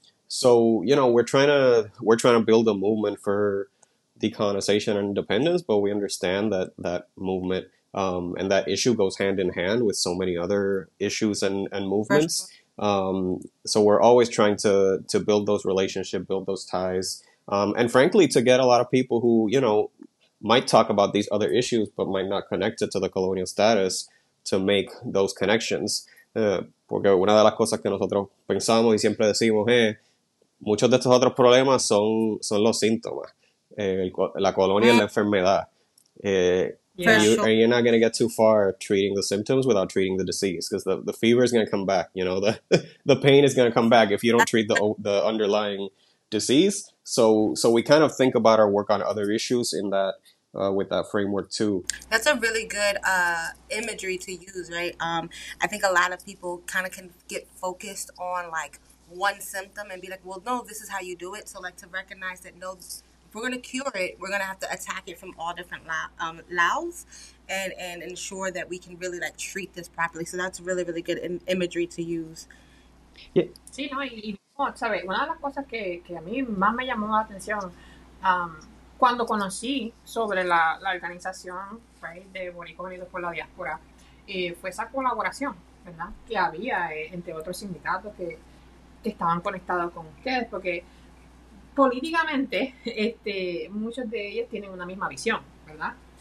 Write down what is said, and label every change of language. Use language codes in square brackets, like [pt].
[en] So, you know, we're trying to build a movement for decolonization and independence, but we understand that movement and that issue goes hand in hand with so many other issues and movements. So we're always trying to build those relationships, build those ties, and frankly, to get a lot of people who, you know, might talk about these other issues but might not connect it to the colonial status to make those connections. [es] Porque una de las cosas que nosotros pensamos y siempre decimos, muchos de estos otros problemas son los síntomas. La colonia es la enfermedad. [en] And you're not going to get too far treating the symptoms without treating the disease, because the fever is going to come back, you know, the pain is going to come back if you don't treat the underlying disease. So we kind of think about our work on other issues in that with that framework too. That's a really good imagery to use, right? I think a lot of people kind of can get focused on like one symptom and be like, well, no, this is how you do it. So like to recognize that no, if we're going to cure it, we're going to have to attack it from all different laos and ensure that we can really like treat this properly. So that's really, really good imagery to use. [es] Sí, ¿no? Y no, ¿sabes? Una de las cosas que a mí más me llamó la atención cuando conocí sobre la organización, right, de Boricua Unidos por la Diáspora fue esa colaboración, ¿verdad? Que había entre otros sindicatos que estaban conectados con ustedes, porque políticamente muchos de ellos tienen una misma visión, ¿verdad?